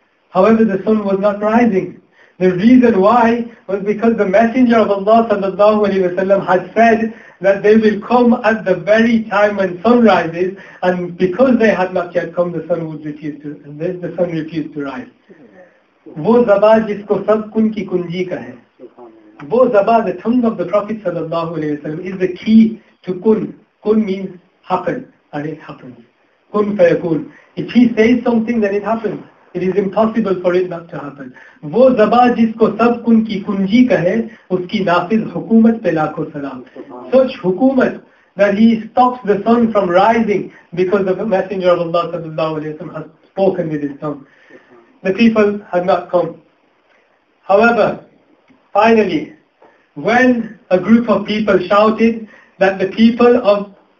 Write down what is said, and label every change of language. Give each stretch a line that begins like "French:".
English: However, the sun was not rising. The reason why was because the Messenger of Allah sallallahu alayhi wa sallam had said that they will come at the very time when sun rises, and because they had not yet come, the sun refused to rise.
Urdu: وہ زبان جس کو سب کن کی کنجی کا ہے وہ زبان,
English: the tongue of the Prophet
Arabic: صلی اللہ علیہ وسلم
English: is the key to kun. Kun means happen, and it happens. Kun fayakun. If he says something, then it happens. It is impossible for it not to happen.
Urdu: وہ زبان جس کو سب کن کی کنجی کا ہے اس کی نافذ حکومت پہ لاکھو سلام.
English: Such حکومت that he stops the sun from rising because the Messenger of Allah
Arabic: صلی اللہ علیہ وسلم
English: has spoken with his tongue. The people had not come. However, finally, when a group of people shouted that the people of